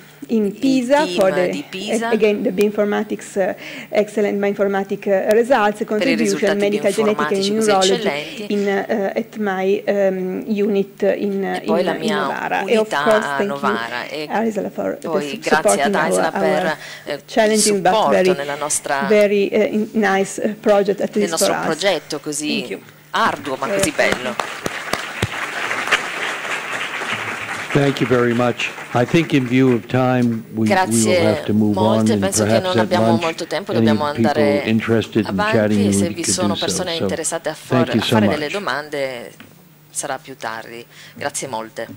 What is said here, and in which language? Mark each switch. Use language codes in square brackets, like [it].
[en] in Pisa for the bioinformatics results, contribution medical genetic and neurology in at my unit in Novara. E of course thank you Arisala for supporting our challenging but very nice project at least for us. [it] Nel nostro progetto così arduo ma così bello. [en] Thank you very much. I think in view of time we will have to move on, and perhaps at lunch any people interested in chatting with you could do so. So thank you so much. [it] Sarà più tardi. Grazie molte.